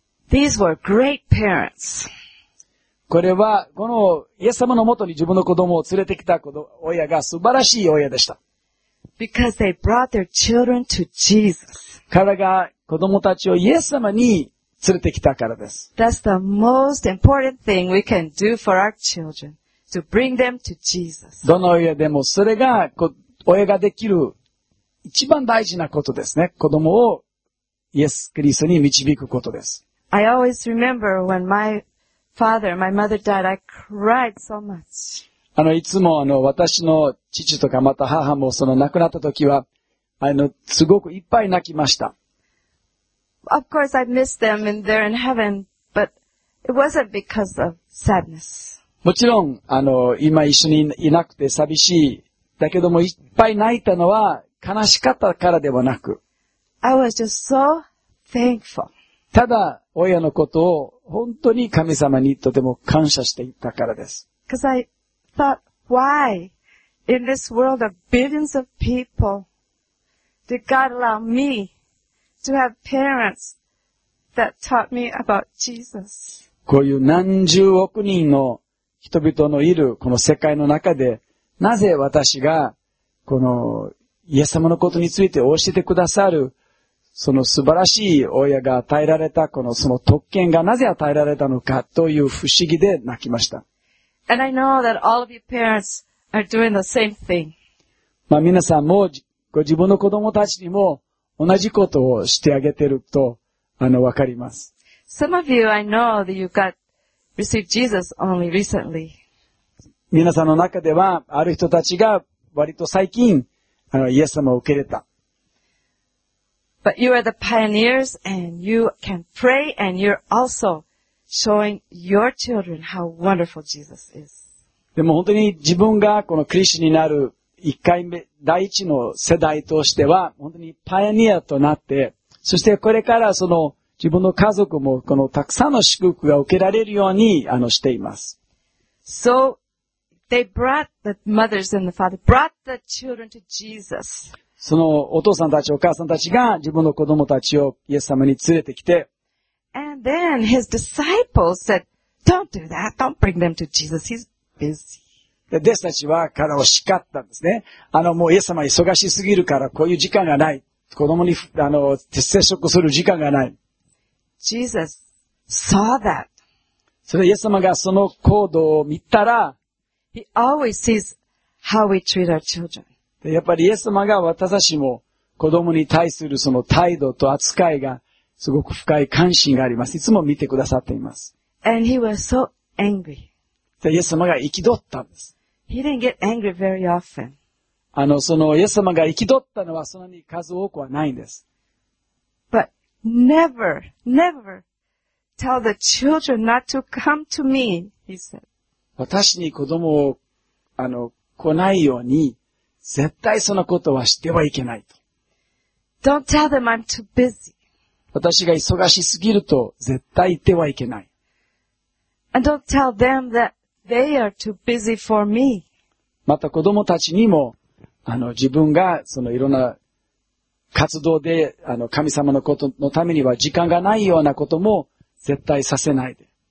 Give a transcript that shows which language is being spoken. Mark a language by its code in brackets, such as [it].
[en] These were great parents. [ja] これは、このイエス様のもとに自分の子供を連れてきた親が素晴らしい親でした。 [en] Because they brought their children to Jesus. [ja] 彼らが子供たちをイエス様に連れてきたからです。 [en] That's the most important thing we can do for our children, to bring them to Jesus. [ja] どの親でもそれが親ができる一番大事なことですね。子供をイエス・キリストに導くことです。 [en] I always remember when my father, my mother died, I cried so much. [ja] いつも私の父とかまた母もその亡くなった時は、すごくいっぱい泣きました。 [en] Of course, I miss them and they're in heaven, but it wasn't because of sadness. [ja] もちろん、今一緒にいなくて寂しい。だけども、いっぱい泣いたのは悲しかったからではなく。 [en] I was just so thankful. [ja] ただ、親のことを本当に神様にとても感謝していたからです。 [en] Because I thought, why in this world of billions of people did God allow me? To have parents that taught me about Jesus. [ja] こういう何十億人の人々のいるこの世界の中で、なぜ私がこのイエス様のことについて教えてくださる、その素晴らしい親が与えられたこのその特権がなぜ与えられたのかという不思議で泣きました。 [en] And I know that all of you parents are doing the same thing. [ja] まあ皆さんもご自分の子供たちにも同じことをしてあげてると、わかります。 [en] Some of you, I know that you got received Jesus only recently. [ja] 皆さんの中では、ある人たちが割と最近、イエス様を受け入れた。 [en] But you are the pioneers and you can pray and you're also showing your children how wonderful Jesus is. [ja] でも本当に自分がこのクリスチャンになる一回目、第一の世代としては、本当にパイオニアとなって、そしてこれからその自分の家族もこのたくさんの祝福が受けられるようにしています。 [en] So, they brought the mothers and the father, brought the children to Jesus. [ja] そのお父さんたち、お母さんたちが自分の子供たちをイエス様に連れてきて、 [en] And then his disciples said, don't do that, don't bring them to Jesus, he's busy. [ja] で、弟子たちは彼を叱ったんですね。もうイエス様忙しすぎるから、こういう時間がない。子供に、接触する時間がない。 [en] Jesus saw that. [ja] それでイエス様がその行動を見たら、 [en] He always sees how we treat our children. [ja] で、やっぱりイエス様が私たちも子供に対するその態度と扱いが、すごく深い関心があります。いつも見てくださっています。 [en] And he was so angry. [ja] で、イエス様が憤ったんです。 [en] He didn't get angry very often. [ja] イエス様が憤ったのはそんなに数多くはないんです。 [en] But never, never tell the children not to come to me, he said. [ja] 私に子供を、来ないように、絶対そのことはしてはいけないと。 [en] Don't tell them I'm too busy. [ja] 私が忙しすぎると絶対言ってはいけない。 [en] And don't tell them that they are too busy for me. [ja] また子供たちにも、自分がそのいろんな活動で、神様のことのためには時間がないようなことも絶対させないで。